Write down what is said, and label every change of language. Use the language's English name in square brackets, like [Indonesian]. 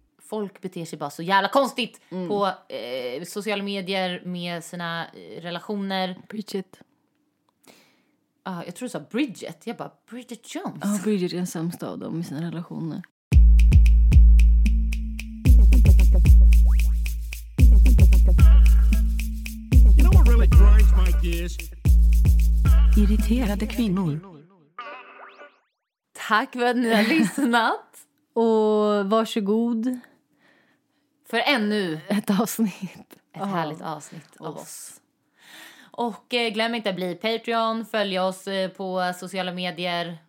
[Swedish] Folk beter sig bara så jävla konstigt på sociala medier med sina relationer. Bridget. Jag tror du sa Bridget. Jag bara, Bridget Jones. Ja, Bridget är den sämsta av dem i sina relationer. [English] You know what really grinds my gears? [Swedish] Irriterade kvinnor. Tack för att ni har lyssnat. Och varsågod... För ännu ett avsnitt. Ett härligt avsnitt av oss. Och glöm inte att bli Patreon. Följ oss på sociala medier.